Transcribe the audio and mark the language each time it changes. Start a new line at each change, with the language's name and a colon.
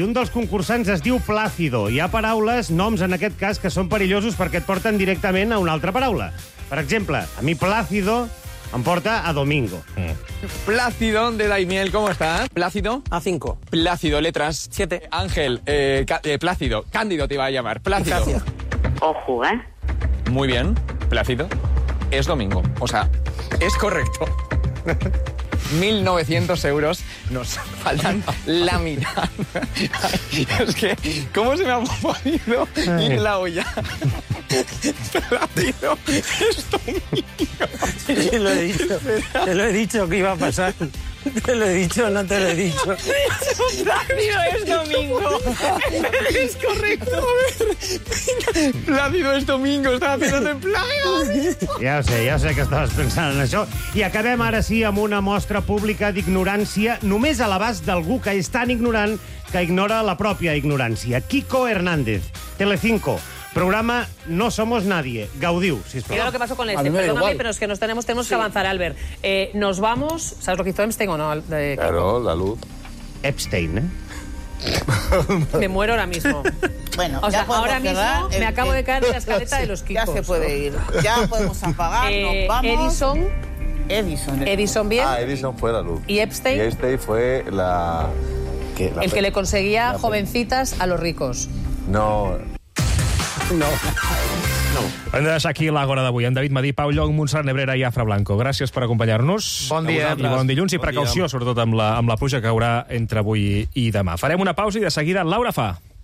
Catalan: Un dels concursants es diu Plàcido. Hi ha paraules, noms en aquest cas, que són perillosos perquè et porten directament a una altra paraula. Per exemple, a mi Plàcido em porta a Domingo.
Spanish: Plácido de Daimiel, ¿cómo estás? Plácido. A 5. Plácido, letras. 7. Ángel, Plácido. Cándido te iba a llamar. Plácido. Plácido. Ojo, ¿eh? Muy bien, Plácido. Es Domingo. O sea, es correcto. 1.900 euros nos faltan la mitad. Es que, ¿cómo se me ha podido ir la olla? Plácido, es Domingo. Te lo he dicho. Te lo he dicho que iba a pasar. Te lo he dicho, no te lo he dicho. Plácido, es Domingo. Es correcto. Plácido, es Domingo. Estaba haciéndote Plácido.
Catalan: Ja ho sé que estaves pensant en això. I acabem ara sí amb una mostra pública d'ignorància només a l'abast d'algú que és tan ignorant que ignora la pròpia ignorància. Kiko Hernández, Telecinco. Programa No Somos Nadie. Gaudiu, sisplau.
Spanish: Mira lo que pasó con este. Perdóname, pero es que nos tenemos sí. que avanzar, Albert. Nos vamos... ¿Sabes lo que hizo Epstein o no? De... Claro, la luz. Epstein, ¿eh? Me muero ahora mismo. Bueno, o sea, ahora mismo me acabo de caer de la escaleta de los Kikos. Ya se puede ir. Ya podemos apagar, nos vamos. Edison, bien. Ah, Edison fue la luz. ¿Y Epstein? Y Epstein fue la... ¿Qué? La el que le conseguía jovencitas a los ricos. No... No.
Catalan: Hem de deixar aquí l'àgora d'avui. En David Madí, Pau Llong, Montserrat Nebrera i Afra Blanco. Gràcies per acompanyar-nos. Bon dia. I bon dilluns i precaució, sobretot amb la pluja que haurà entre avui i demà. Farem una pausa i de seguida Laura Fa.